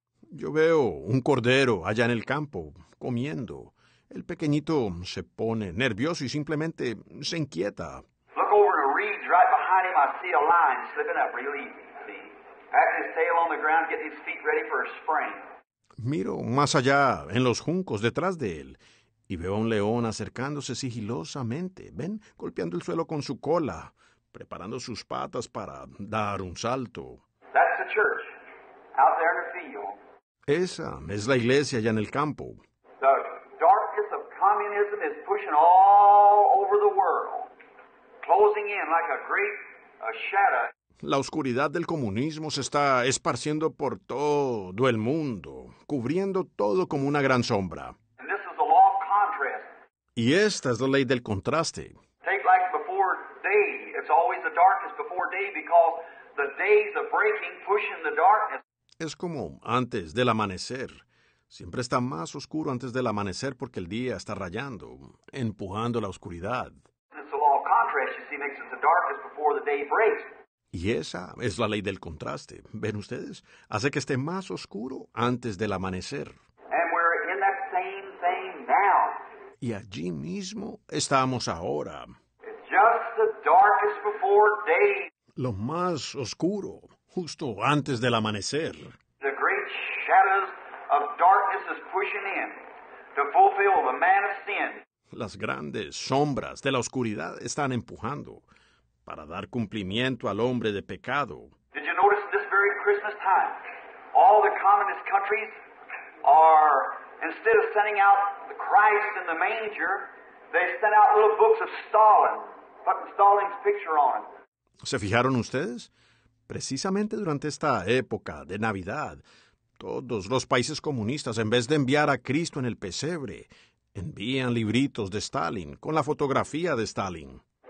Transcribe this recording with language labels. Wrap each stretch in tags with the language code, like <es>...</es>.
<es>Yo veo un cordero allá en el campo, comiendo. El pequeñito se pone nervioso y simplemente se inquieta.</es> <en>Look over the reeds right behind him. I see a lion slipping up, really. Patting his tail on the ground, getting his feet ready for a spring.</en> <es>Miro más allá, en los juncos, detrás de él, y veo a un león acercándose sigilosamente, ven, golpeando el suelo con su cola, preparando sus patas para dar un salto.</es> <en>That's the church, out there in the field.</en> <es>Esa es la iglesia allá en el campo.</es> <en>The darkness of communism is pushing all over the world, closing in like a great shadow.</en> <es>La oscuridad del comunismo se está esparciendo por todo el mundo, cubriendo todo como una gran sombra.</es> <en>And this is the law of contrast.</en> <es>Y esta es la ley del contraste.</es> <en>Take like before day. It's always the darkness before day because the days are breaking, pushing the darkness.</en> <es>Es como antes del amanecer. Siempre está más oscuro antes del amanecer porque el día está rayando, empujando la oscuridad.</es> <en>It's the law of contrast, you see, makes it the darkest before the day breaks.</en> <es>Y esa es la ley del contraste. ¿Ven ustedes? Hace que esté más oscuro antes del amanecer.</es> <en>And we're in that same thing now.</en> <es>Y allí mismo estamos ahora.</es> <en>Just the darkest before day.</en> <es>Lo más oscuro, justo antes del amanecer.</es> <en>The great shadows of darkness is pushing in to fulfill the man of sin.</en> <es>Las grandes sombras de la oscuridad están empujando para dar cumplimiento al hombre de pecado.</es> <en>Did you notice this very Christmas time, all the communist countries are, instead of sending out the Christ in the manger, they sent out little books of Stalin, putting Stalin's picture on.</en> <es>¿Se fijaron ustedes? Precisamente durante esta época de Navidad, todos los países comunistas, en vez de enviar a Cristo en el pesebre, envían libritos de Stalin con la fotografía de Stalin.</es>